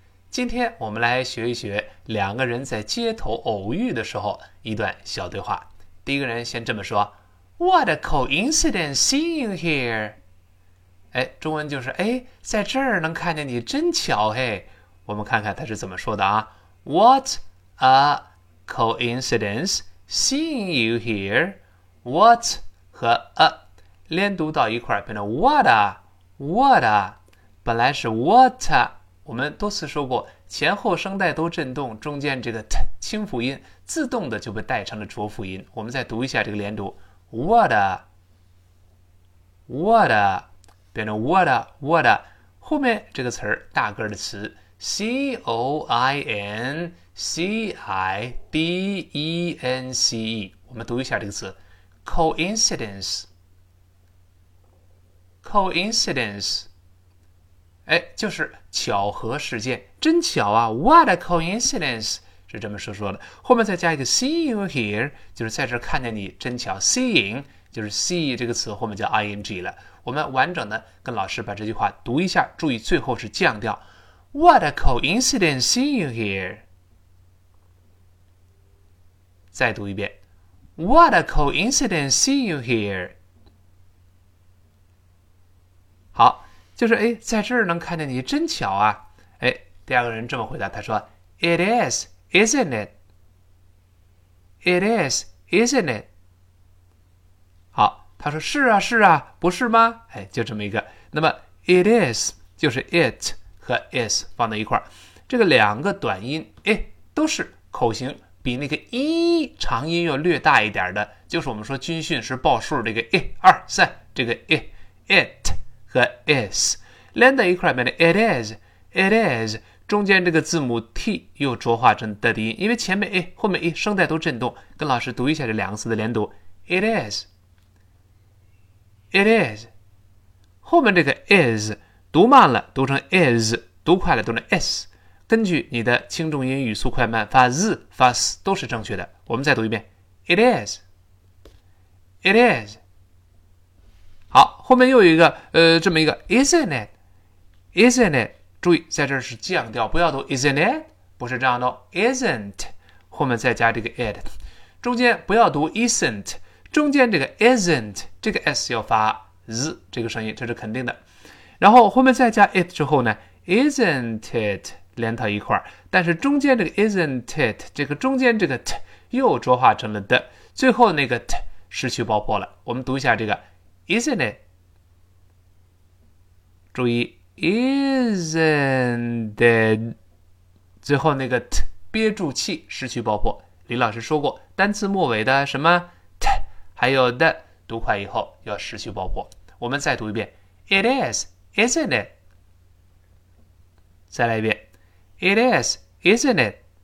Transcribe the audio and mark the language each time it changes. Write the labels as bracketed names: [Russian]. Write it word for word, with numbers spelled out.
[Chinese] 今天我们来学一学两个人在街头偶遇的时候一段小对话。第一个人先这么说 [English] What a coincidence seeing you here. [Chinese] 哎，中文就是哎，在这儿能看见你真巧嘿。我们看看他是怎么说的啊。 [English] What a coincidence seeing you here. [Chinese] What 和 a连读到一块变成 [English] what a what a， [Chinese] 本来是 what a， 我们多次说过前后声带都震动，中间这个 t 清辅音自动的就被带成了浊辅音。我们再读一下这个连读 [English] what a what a [Chinese] 变成 what a what a， 后面这个词儿大个的词 c o i n c i d e n c e， 我们读一下这个词 coincidence。 coincidence， 哎，就是巧合事件，真巧啊 ！ [English] What a coincidence [Chinese] 是这么说说的。后面再加一个 [English] see you here， [Chinese] 就是在这看见你，真巧。 Seeing 就是 see 这个词后面叫 ing 了。我们完整的跟老师把这句话读一下，注意最后是降调。 [English] What a coincidence see you here。再读一遍 ，What a coincidence see you here。 [Chinese] 好，就是哎，在这儿能看见你，真巧啊！哎，第二个人这么回答，他说 ： [English] “It is, isn't it? It is, isn't it?” [Chinese] 好，他说：“是啊，是啊，不是吗？” 哎，就这么一个。那么 ， [English] it is [Chinese] 就是 it 和 is 放在一块儿，这个两个短音，哎，都是口型比那个一长音要略大一点的，就是我们说军训时报数这个一二三，这个 it it。和 is 连在一块变成 [English] it is it is， [Chinese] 中间这个字母 t 又浊化成的低音，因为前面 a 后面 e 声带都震动。跟老师读一下这两个词的连读 [English] it is it is， [Chinese] 后面这个 is 读慢了读成 is， 读快了读成 is， 根据你的轻重音语速快慢发 z 发 s 都是正确的。我们再读一遍 [English] it is it is。 [Chinese] 好，后面又有一个呃，这么一个 [English] isn't it isn't it， [Chinese] 注意在这是降调，不要读 isn't it， 不是这样的、哦、isn't 后面再加这个 it， 中间不要读 isn't， 中间这个 isn't 这个 s 要发 z 这个声音，这是肯定的。然后后面再加 it 之后呢 [English] isn't it [Chinese] 连到一块儿，但是中间这个 isn't it 这个中间这个 t 又浊化成了的，最后那个 t 失去爆破了。 [English] 我们读一下这个Isn't it？注意 ，isn't it？ [Chinese] 最后那个 t 憋住气，失去爆破。李老师说过，单词末尾的什么 t， 还有的读快以后要失去爆破。我们再读一遍 [English] ，It is, isn't it？ [Chinese] 再来一遍 [English] ，It is, isn't it？